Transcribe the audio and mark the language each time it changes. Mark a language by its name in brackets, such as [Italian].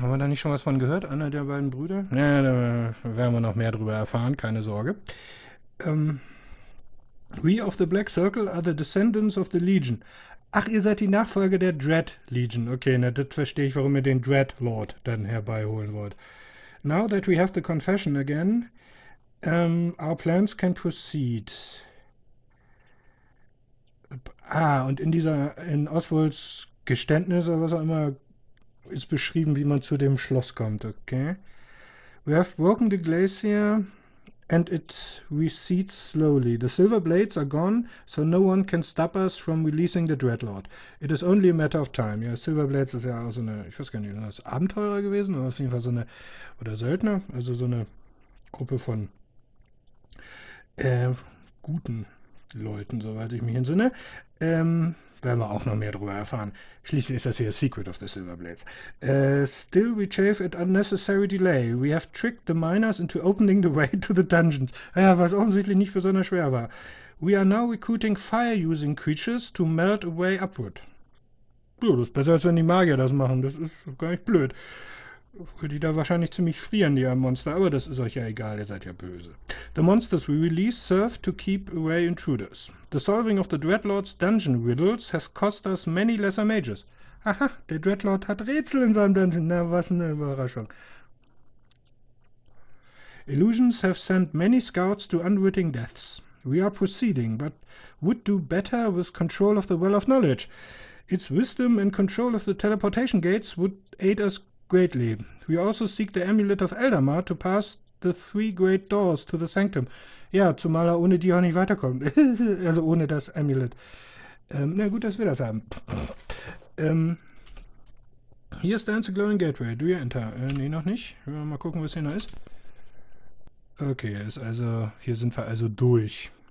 [German] Haben wir da nicht schon was von gehört? Einer der beiden Brüder? Ja, da werden wir noch mehr drüber erfahren, keine Sorge. [English] We of the Black Circle are the descendants of the Legion. [German] Ach, ihr seid die Nachfolger der Dread Legion. Okay, na, das verstehe ich, warum ihr den Dreadlord dann herbeiholen wollt. [English] Now that we have the confession again, our plans can proceed. [German] Ah, und in Oswalds Geständnis oder was auch immer ist beschrieben, wie man zu dem Schloss kommt, okay? [English] We have broken the glacier and it recedes slowly. The silver blades are gone, so no one can stop us from releasing the Dreadlord. It is only a matter of time. [German] Ja, Silver Blades ist ja auch so eine, ich weiß gar nicht, das ist Abenteurer gewesen oder auf jeden Fall so eine, oder Söldner, also so eine Gruppe von guten Leuten, soweit ich mich entsinne. Werden wir auch noch mehr darüber erfahren. Schließlich ist das hier Secret of the Silver Blades. [English] Still we chafe at unnecessary delay. We have tricked the miners into opening the way to the dungeons. [German] Ja, was offensichtlich nicht besonders schwer war. [English] We are now recruiting fire-using creatures to melt away upward. [German] Ja, das ist besser, als wenn die Magier das machen. Das ist gar nicht blöd. Obwohl die da wahrscheinlich ziemlich frieren, die Monster. Aber das ist euch ja egal, ihr seid ja böse. [English] The monsters we release serve to keep away intruders. The solving of the Dreadlord's dungeon riddles has cost us many lesser mages. [German] Aha, der Dreadlord hat Rätsel in seinem Dungeon. Na, was eine Überraschung. [English] Illusions have sent many scouts to unwitting deaths. We are proceeding, but would do better with control of the Well of Knowledge. Its wisdom and control of the teleportation gates would aid us greatly. We also seek the Amulet of Eldamar to pass the three great doors to the Sanctum. [German] Ja, zumal er ohne die auch nicht weiterkommt. Also ohne das Amulet. Na gut, dass wir das haben. [English] Here stands the glowing gateway. Do you enter? [German] Nee, noch nicht. Mal gucken, was hier noch ist. Okay, ist also, hier sind wir also durch.